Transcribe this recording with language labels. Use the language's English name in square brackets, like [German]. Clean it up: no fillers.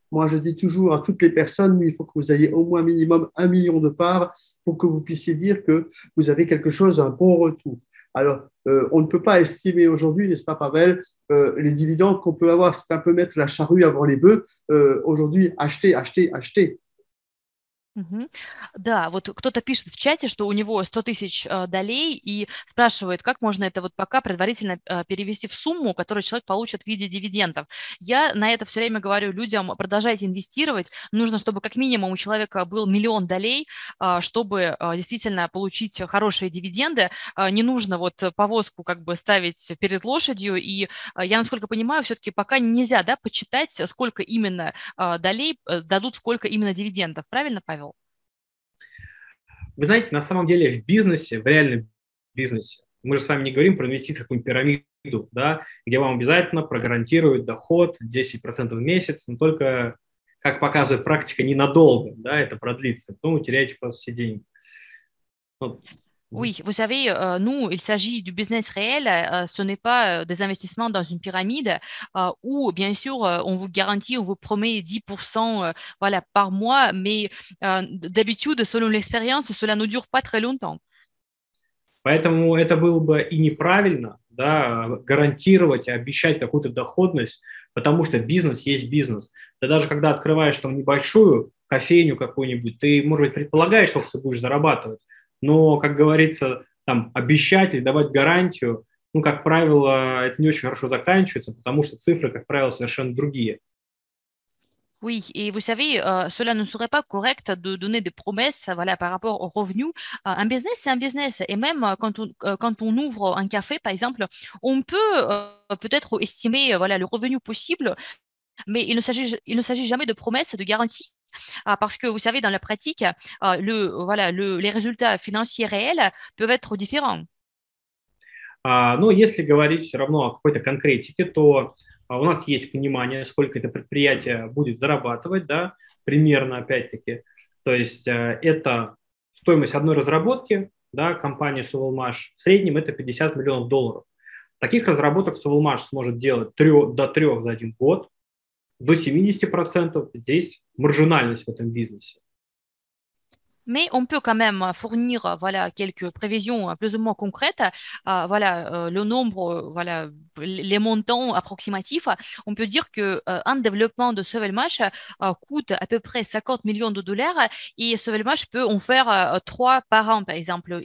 [French] Moi, je dis toujours à toutes les personnes, il faut que vous ayez au moins minimum 1 million de parts pour que vous puissiez dire que vous avez quelque chose, un bon retour. Alors, on ne peut pas estimer aujourd'hui, n'est-ce pas, Pavel, les dividendes qu'on peut avoir, c'est un peu mettre la charrue avant les bœufs. Aujourd'hui, acheter, acheter, acheter. [Russian] Да, вот кто-то пишет в чате, что у него 100 тысяч долей и спрашивает, как можно это вот пока предварительно перевести в сумму, которую человек получит в виде дивидендов. Я на это все время говорю людям, продолжайте инвестировать. Нужно, чтобы как минимум у человека был 1 000 000 долей, чтобы действительно получить хорошие дивиденды. Не нужно вот повозку как бы ставить перед лошадью. И я, насколько понимаю, все-таки пока нельзя, да, почитать, сколько именно долей дадут, сколько именно дивидендов. Правильно? Вы знаете, на самом деле в бизнесе, в реальном бизнесе, мы же с вами не говорим про инвестиции в какую-нибудь пирамиду, да, где вам обязательно прогарантируют доход 10% в месяц, но только, как показывает практика, ненадолго, да, это продлится, потом вы теряете просто все деньги. Вот. [French] Oui, vous savez, nous, il s'agit du business réel, ce n'est pas des investissements dans une pyramide où, bien sûr, on vous garantit, on vous promet 10% voilà, par mois, mais d'habitude, selon l'expérience, cela ne dure pas très longtemps. [Russian] Поэтому это было бы и неправильно, да, гарантировать, обещать какую-то доходность, потому что бизнес есть бизнес. Да даже когда открываешь там небольшую кофейню какую-нибудь, ты, может быть, предполагаешь, сколько ты будешь зарабатывать. Но, как говорится, там, обещать или давать гарантию, ну, как правило, это не очень хорошо заканчивается, потому что цифры, как правило, совершенно другие. [French] Oui, et vous savez, cela ne serait pas correct de donner des promesses voilà, par rapport aux revenus. Un business, c'est un business. Et même quand on ouvre un café, par exemple, on peut peut-être estimer voilà, le revenu possible, mais il ne s'agit jamais de promesses, de garanties. Parce que vous savez, dans la pratique, les résultats financiers réels peuvent être différents. [Russian] Ну, если говорить все равно о какой-то конкретике, то у нас есть понимание, сколько это предприятие будет зарабатывать, да, примерно, опять-таки. То есть это стоимость одной разработки, да, компании Suvalmash, в среднем это 50 миллионов долларов. Таких разработок Suvalmash сможет делать до трех за один год. До 70% здесь маржинальность в этом бизнесе. [French] Mais on peut quand même fournir voilà quelques prévisions plus ou moins concrètes, voilà le nombre, voilà les montants approximatifs. On peut dire que un développement de Suvalmash coûte à peu près 50 millions de dollars et Suvalmash peut en faire 3 par an par exemple.